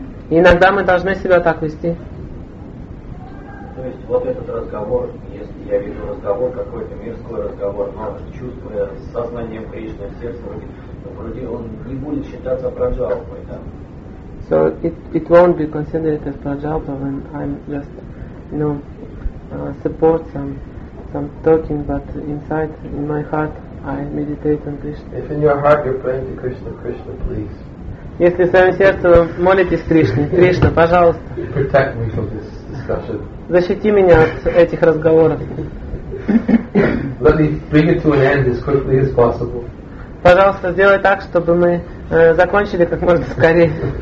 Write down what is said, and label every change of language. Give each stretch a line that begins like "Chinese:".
Russian: И иногда мы должны себя так вести. То есть вот этот разговор, если я вижу разговор, какой-то мирской разговор, но чувствуя сознание Кришны в сердце, то вроде он не будет считаться праджалпой, да?
English: So it won't be considered as prajalpa when I'm just, you know, support some talking, but inside, in my heart, I meditate on Krishna. If in your heart you're praying to Krishna, Krishna, please.
Russian: Если в своем сердце вы молитесь Кришне, Кришна, пожалуйста.
English: Protect me from this discussion.
Russian: Защити меня от этих разговоров.
English: Let me bring it to an end as quickly as possible.
Russian: Пожалуйста, сделай так, чтобы мы закончили как можно скорее.